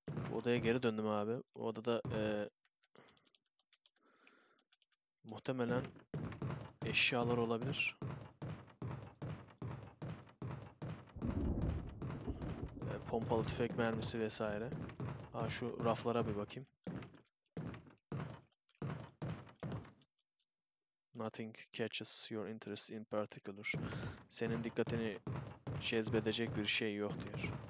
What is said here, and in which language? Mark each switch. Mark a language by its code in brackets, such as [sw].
[tr] Bu odaya geri döndüm abi. O odada muhtemelen eşyalar olabilir. Pompalı tüfek mermisi vesaire. Ha, şu raflara bir bakayım. [en] Catches your interest in particular. [tr] Senin dikkatini cezbedecek bir şey yok diyor.